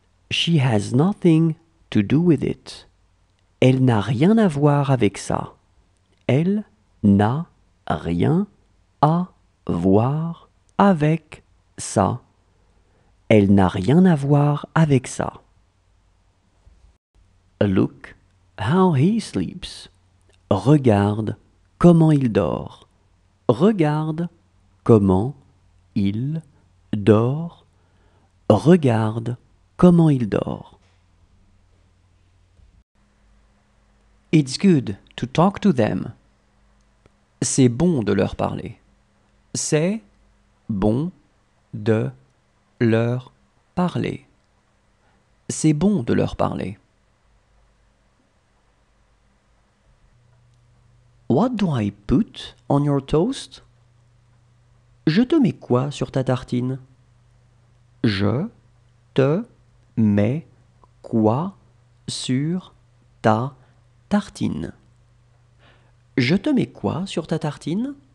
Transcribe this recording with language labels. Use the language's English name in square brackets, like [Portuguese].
[English] She has nothing to do with it. [French] Elle n'a rien à voir avec ça. Elle n'a rien à voir avec ça. Elle n'a rien à voir avec ça. [English] Look how he sleeps. [French] Regarde comment il dort. Regarde comment il dort. Regarde comment il dort. [English] It's good to talk to them. [French] C'est bon de leur parler. C'est bon de leur parler. C'est bon de leur parler. [English] What do I put on your toast? [French] Je te mets quoi sur ta tartine? Je te mets quoi sur ta tartine? Je te mets quoi sur ta tartine?